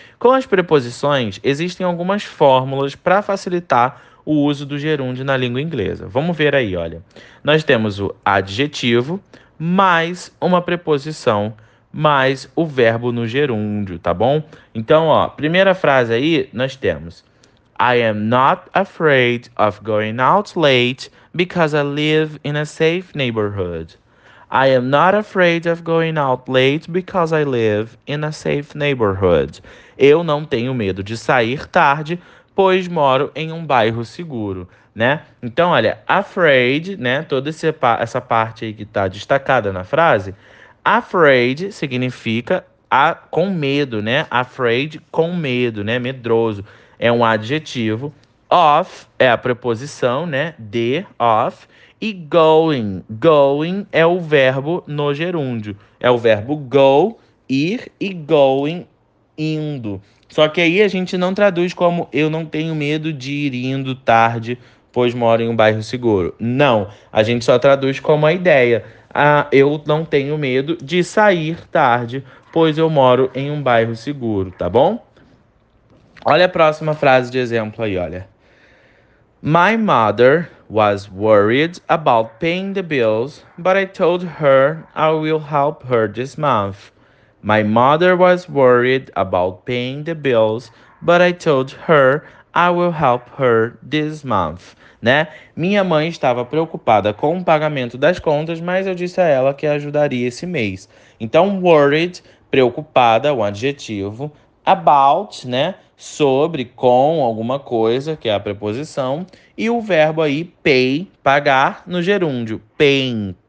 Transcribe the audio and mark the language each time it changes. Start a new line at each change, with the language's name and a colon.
Portuguese: Com as preposições, existem algumas fórmulas para facilitar o uso do gerúndio na língua inglesa. Vamos ver aí, olha. Nós temos o adjetivo mais uma preposição mais o verbo no gerúndio, tá bom? Então, ó, primeira frase aí, nós temos.
English: I am not afraid of going out late because I live in a safe neighborhood. I am not afraid of going out late because I live in a safe neighborhood.
Portuguese: Eu não tenho medo de sair tarde, pois moro em um bairro seguro, né? Então, olha, afraid, né? Toda essa parte aí que está destacada na frase, afraid significa com medo, né? Afraid, com medo, né? Medroso. É um adjetivo. Of é a preposição, né? De, of. E going. Going é o verbo no gerúndio. É o verbo go, ir, e going, indo. Só que aí a gente não traduz como eu não tenho medo de ir indo tarde, pois moro em um bairro seguro. Não. A gente só traduz como a ideia. Ah, eu não tenho medo de sair tarde, pois eu moro em um bairro seguro, tá bom? Olha a próxima frase de exemplo aí, olha.
English: My mother was worried about paying the bills, but I told her I will help her this month. My mother was worried about paying the bills, but I told her I will help her this month, né?
Portuguese: Minha mãe estava preocupada com o pagamento das contas, mas eu disse a ela que ajudaria esse mês. Então, worried, preocupada, o um adjetivo, about, né? Sobre, com alguma coisa, que é a preposição, e o verbo aí, pay, pagar, no gerúndio, paying.